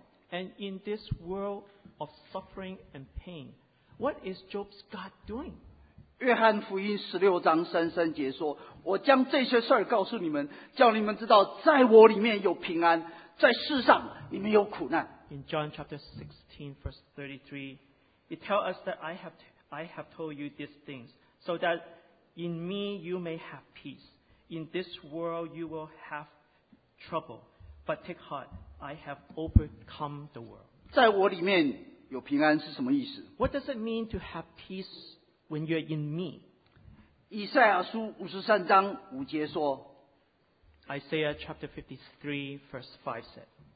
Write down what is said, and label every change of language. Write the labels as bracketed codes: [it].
[en] And in this world of suffering and pain, what is Job's God doing? [zh] 约翰福音16章33节说, 我将这些事告诉你们, 叫你们知道, 在我里面有平安, 在世上你们有苦难。 [en] In John chapter 16, verse 33, it tells us that I have told you these things, so that in me you may have peace. In this world you will have peace. Trouble, but take heart. I have overcome the world. [zh] 在我里面有平安是什么意思? [en] What does it mean to have peace when you're in me? [zh] 以赛亚书53章5节说, [en] Isaiah chapter 53, verse 5 said,